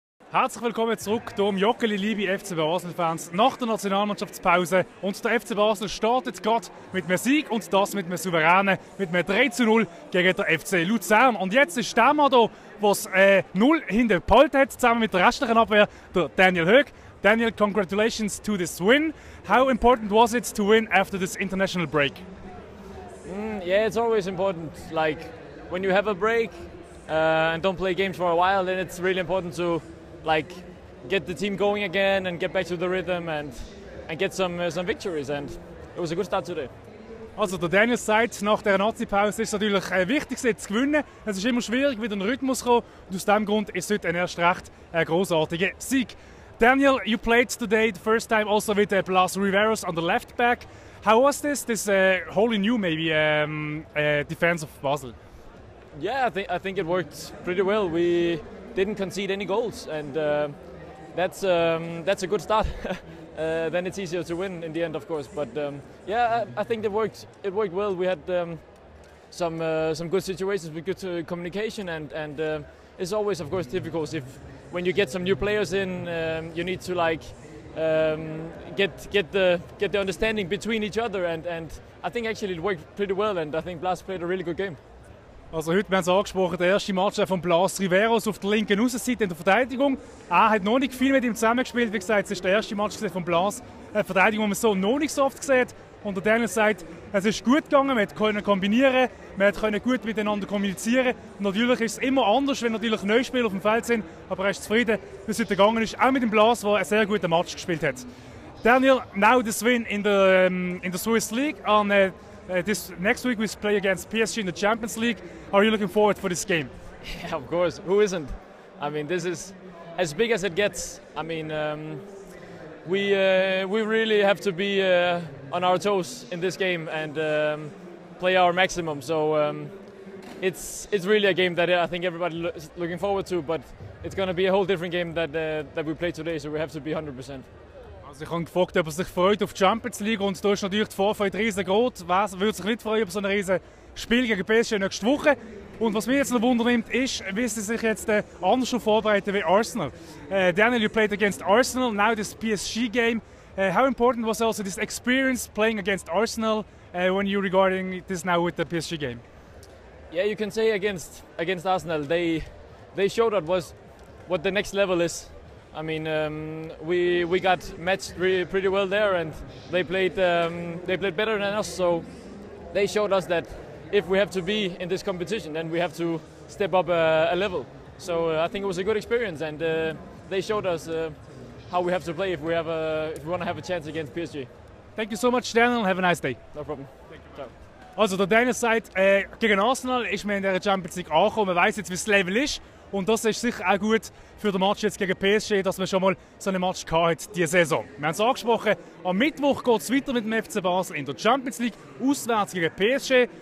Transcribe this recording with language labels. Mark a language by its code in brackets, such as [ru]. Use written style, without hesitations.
[de] Herzlich willkommen zurück hier im Joggeli, liebe FC Basel-Fans, nach der Nationalmannschaftspause. Und der FC Basel startet gerade mit einem Sieg und das mit einem Souveränen, mit einem 3:0 gegen den FC Luzern. Und jetzt ist der Mann hier, der 0 hinter Palt hat, zusammen mit der restlichen Abwehr, der Daniel Hoeg. [en] Daniel, congratulations to this win. How important was it to win after this international break? Yeah, it's always important. Like, when you have a break and don't play games for a while, then it's really important to like get the team going again and get back to the rhythm and get some victories, and it was a good start today. [de] Also der Daniel sagt, nach der Nazi-Pause ist es natürlich wichtig, sie zu gewinnen. Es ist immer schwierig, wieder in den Rhythmus zu kommen, und aus diesem Grund ist heute ein erst recht grossartiger Sieg. [en] Daniel, you played today the first time also with Blas Riveros on the left back. How was this wholly new maybe defense of Basel? Yeah, I think it worked pretty well. We didn't concede any goals, and that's a good start. Then it's easier to win in the end, of course. But I think it worked. It worked well. We had some good situations with good communication, and it's always, of course, difficult if when you get some new players in, you need to like get the understanding between each other, and I think actually it worked pretty well, and I think Blas played a really good game. [de] Also heute, wir haben es angesprochen, der erste Match von Blas Riveros auf der linken Aussenseite in der Verteidigung. Er hat noch nicht viel mit ihm zusammengespielt. Wie gesagt, es ist der erste Match von Blas in der Verteidigung, die man so noch nicht so oft gesehen hat. Und der Daniel sagt, es ist gut gegangen, man konnte kombinieren, man konnte gut miteinander kommunizieren. Und natürlich ist es immer anders, wenn natürlich neue Spieler auf dem Feld sind. Aber er ist zufrieden, wie es heute gegangen ist, auch mit dem Blas, der einen sehr guten Match gespielt hat. [en] Daniel, now this win in the Swiss League on this next week we play against PSG in the Champions League. Are you looking forward for this game? Yeah, of course. Who isn't? I mean, this is as big as it gets. I mean, we really have to be on our toes in this game and play our maximum. So it's really a game that I think everybody is looking forward to. But it's going to be a whole different game that we play today. So we have to be 100%. [de] Also ich habe gefragt, ob er sich freut auf die Champions League, und da ist natürlich die Vorfreude riesengroß. Wer würde sich nicht freuen über so ein riesen Spiel gegen PSG nächste Woche? Und was mich jetzt noch wundern nimmt, ist, wie sie sich jetzt anders schon vorbereiten wie Arsenal. [en] Daniel, you played against Arsenal, now this PSG game. How important was also this experience playing against Arsenal when you regarding this now with the PSG game? Yeah, you can say against Arsenal, they showed what the next level is. I mean, we got matched pretty well there, and they played better than us. So they showed us that if we have to be in this competition, then we have to step up a level. So I think it was a good experience, and they showed us how we have to play if we want to have a chance against PSG. Thank you so much, Daniel. Have a nice day. No problem. [it] Ciao. [de] Also, der Daniel sagt, gegen Arsenal ist man in der Champions League angekommen. Man weiß jetzt, wie das Level ist. Und das ist sicher auch gut für den Match jetzt gegen PSG, dass man schon mal so einen Match gehabt hat diese Saison. Wir haben es angesprochen, am Mittwoch geht es weiter mit dem FC Basel in der Champions League, auswärts gegen PSG.